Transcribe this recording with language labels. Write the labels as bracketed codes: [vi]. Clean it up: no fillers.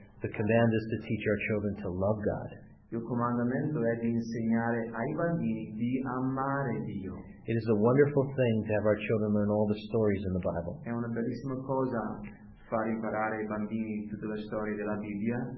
[en] The command is to teach our children to love God. [it] Il comandamento è di insegnare ai bambini di amare Dio. [en] It is a wonderful thing to have our children learn all the stories in the Bible. [it] È una bellissima cosa far imparare ai bambini tutte le storie della Bibbia.